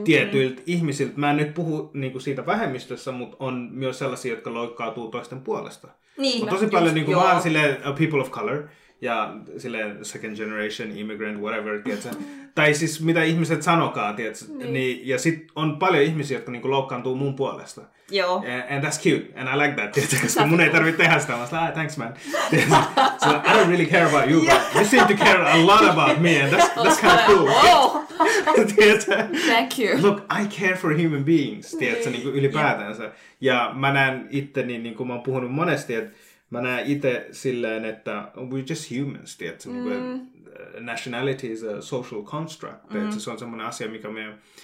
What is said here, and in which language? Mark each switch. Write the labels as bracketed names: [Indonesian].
[Finnish] Tietyiltä ihmisiltä. Mä en nyt puhu niin kun siitä vähemmistössä, mutta on myös sellaisia, jotka loikkautuu toisten puolesta. Niin. Mutta tosi just, paljon, niin kun, mä oon silleen [English] people of color, [Finnish] ja silleen [English] second generation, immigrant, whatever, [Finnish] tietsä. Tai siis mitä ihmiset sanokaa, tietsä. Niin. Ja sit on paljon ihmisiä, jotka niin kun loukkaantuu mun puolesta. Joo. [English] And that's cute, and I like that, [Finnish] tietysti, koska mun ei tarvitse tehdä sitä. Mä sanoin, [English] ah, thanks man. So I don't really care about you, but you seem to care a lot about me, and that's kind of cool. Oh. Thank you. Look, I care for human beings, [Finnish] tietysti, niin kuin ylipäätänsä. Ja mä näen itteni, niin kuin mä oon puhunut monesti, että mä näen itse silleen, että [English] we're just humans, [Finnish] tietysti. Mm. [English] Nationality is a social construct, [Finnish] tietysti. Se on semmoinen asia, mikä meidän...